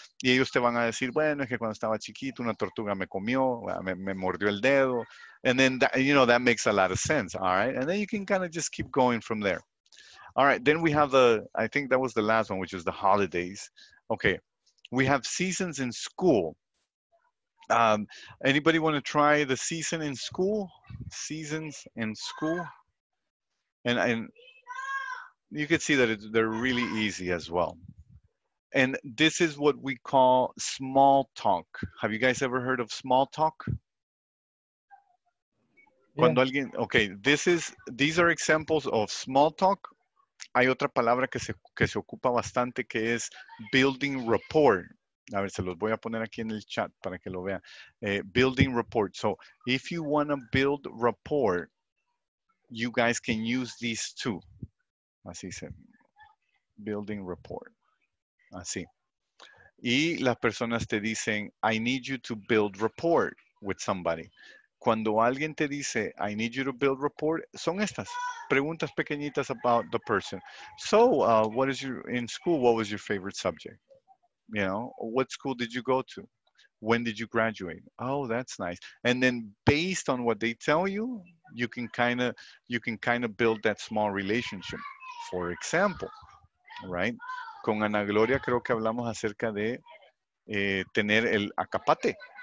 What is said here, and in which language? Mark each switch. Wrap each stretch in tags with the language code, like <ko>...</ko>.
<es>Y ellos te van a decir, bueno, es que cuando estaba chiquito, una tortuga me comió, me mordió el dedo.</es> <en>And then, that makes a lot of sense, all right? And then you can kind of just keep going from there. All right, then we have I think that was the last one, which is the holidays. Okay, we have seasons in school. Anybody want to try the season in school? Seasons in school? And you can see that they're really easy as well. And this is what we call small talk. Have you guys ever heard of small talk? Yeah.</en> <es>Cuando alguien,</es> <en>okay, these are examples of small talk.</en> <es>Hay otra palabra que se ocupa bastante que es building rapport. A ver, se los voy a poner aquí en el chat para que lo vean.</es> <en>Building rapport. So if you want to build rapport, you guys can use these two.</en> <es>Así se. Building rapport. Así. Y las personas te dicen,</es> <en>I need you to build rapport with somebody.</en> <es>Cuando alguien te dice,</es> <en>I need you to build rapport,</en> <es>son estas. Preguntas pequeñitas</es> <en>about the person. So, what is your, in school, what was your favorite subject? You know, what school did you go to? When did you graduate? Oh, that's nice. And then based on what they tell you, you can kind of build that small relationship. For example, right?</en> <es>Con Ana Gloria, creo que hablamos acerca de tener el acapate.</es>